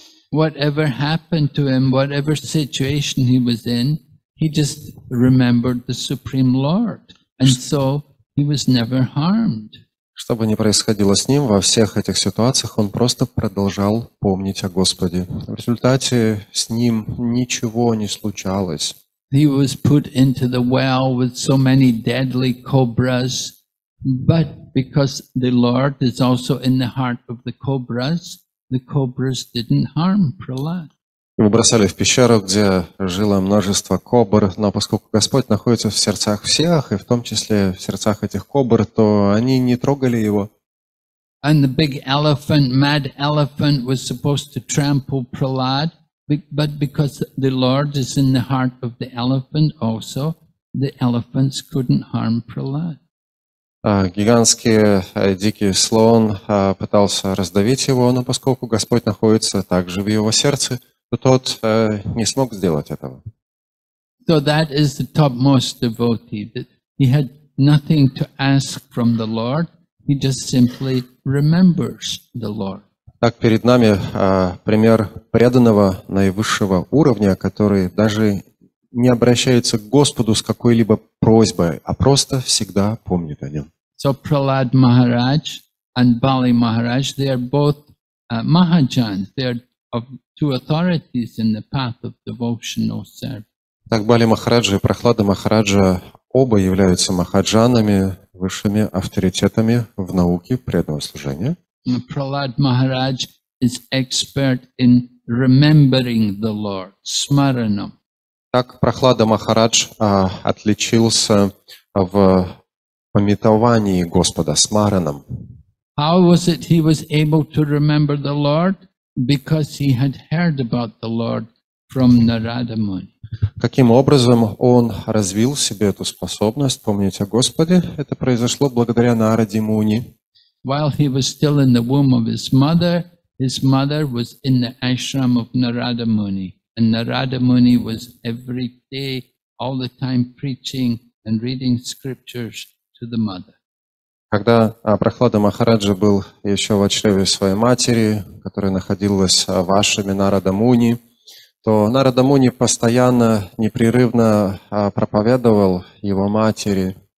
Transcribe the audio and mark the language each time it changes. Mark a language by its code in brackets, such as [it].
[en] Whatever happened to him, whatever situation he was in, he just remembered the Supreme Lord. And so he was never harmed. [ru] Что бы ни происходило с ним, во всех этих ситуациях он просто продолжал помнить о Господе. В результате с ним ничего не случалось. [en] He was put into the well with so many deadly cobras, but because the Lord is also in the heart of the cobras didn't harm Prahlad. [ru] Его бросали в пещеру, где жило множество кобр, но поскольку Господь находится в сердцах всех, и в том числе в сердцах этих кобр, то они не трогали его. [en] And the big elephant, mad elephant, was supposed to trample Prahlad, but because the Lord is in the heart of the elephant also, the elephants couldn't harm Prahlad. [ru] Гигантский дикий слон пытался раздавить его, но поскольку Господь находится также в его сердце, то тот не смог сделать этого. [en] So that is the topmost devotee. He had nothing to ask from the Lord. He just simply remembers the Lord. [ru] Так перед нами пример преданного наивысшего уровня, который даже не обращается к Господу с какой-либо просьбой, а просто всегда помнит о нем. [en] So Prahlad Maharaj and Bali Maharaj, they are both Mahajans. They are of two authorities in the path of devotional service. [ru] Так Бали Махараджа и Прахлада Махараджа оба являются махаджанами, высшими авторитетами в науке преданного служения. [en] Prahlad Maharaj is expert in remembering the Lord, smaranam. [ru] Так Прахлада Махарадж отличился в памятовании Господа, смаранам. [en] How was it he was able to remember the Lord? Because he had heard about the Lord from Narada Muni. [ru] Каким образом он развил в себе эту способность помнить о Господе? Это произошло благодаря Нараде Муни. [en] While he was still in the womb of his mother was in the ashram of Narada Muni, and Narada Muni was every day, all the time, preaching and reading scriptures to the mother. [ru] Когда Прахлада Махараджа был еще в чреве своей матери, которая находилась в ашраме Нарада Муни, то Нарада Муни постоянно, непрерывно проповедовал его матери.